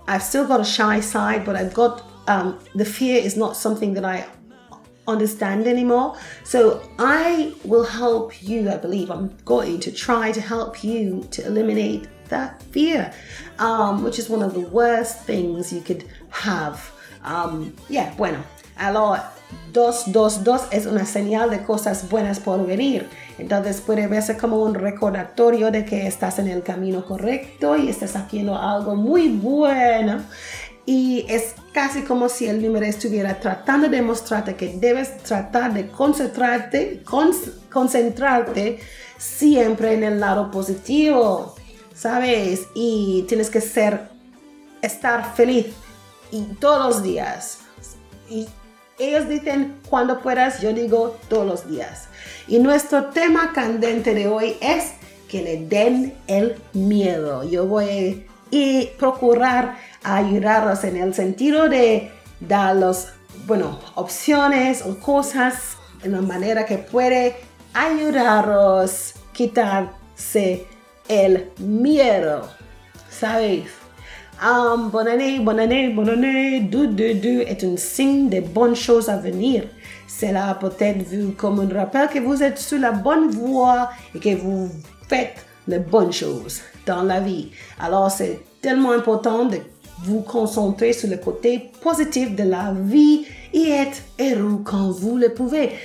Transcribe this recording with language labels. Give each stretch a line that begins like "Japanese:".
English: I've still got a shy side, but I've got the fear is not something that I understand anymore. So I will help you, I believe. I'm going to try to help you to eliminate that fear, which is one of the worst things you could have.
Spanish: Yeah, bueno. Alors, 222 es una señal de cosas buenas por venir. Entonces puede verse como un recordatorio de que estás en el camino correcto y estás haciendo algo muy bueno. Y es casi como si el número estuviera tratando de mostrarte que debes tratar de concentrarte siempre en el lado positivo, ¿sabes? Y tienes que estar feliz y todos los días. Y ellos dicen cuando puedas, yo digo todos los días. Y nuestro tema candente de hoy es que le den el miedo. Yo voy a procurar ayudarlos en el sentido de darles, bueno, opciones o cosas en la manera que puede ayudarlos a quitarse el miedo. ¿Sabéis?
French: Bonne année, du, est un signe de bonnes choses à venir. Cela peut-être vu comme un rappel que vous êtes sur la bonne voie et que vous faites les bonnes choses dans la vie. Alors, c'est tellement important de vous concentrer sur le côté positif de la vie et être heureux quand vous le pouvez.